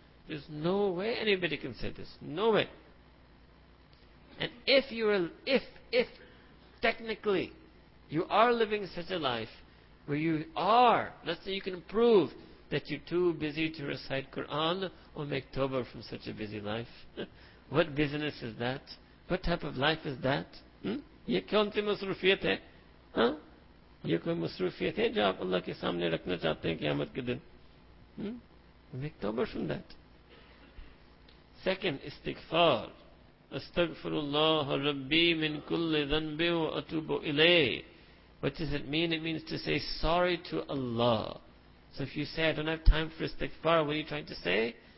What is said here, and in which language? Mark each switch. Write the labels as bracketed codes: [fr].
[en] There's no way anybody can say this. No way. And if you are, if technically you are living such a life where you are, let's say you can prove that you're too busy to recite Quran or make tawbah from such a busy life, what business is that? What type of life is that? [ur] یہ کیوں تھی مصروفیت ہے? یہ کوئی مصروفیت ہے جو آپ اللہ کے سامنے رکھنا چاہتے ہیں قیامت کے دن? [en] Make tawbah from that. Second, istighfar. [ar] Astaghfirullah Rabbi min kulli dhanbi wa atubu ilay. [en] What does it mean? It means to say sorry to Allah. So if you say, I don't have time for istighfar, what are you trying to say?